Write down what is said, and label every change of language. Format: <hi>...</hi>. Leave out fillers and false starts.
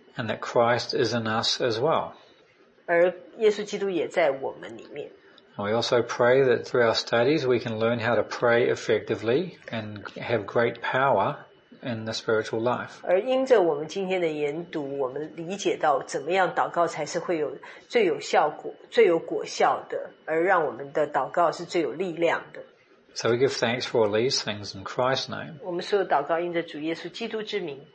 <en>And that Christ is in us as well.</en> <zh>而耶稣基督也在我们里面。</zh> <en>We also pray that through our studies we can learn how to pray effectively and have great power in the spiritual life.</en> <zh>而因着我们今天的研读，我们理解到怎么样祷告才是会有最有效果、最有果效的，而让我们的祷告是最有力量的。</zh> <en>So we give thanks for all these things in Christ's name.</en> <zh>我们所有祷告因着主耶稣基督之名。</zh>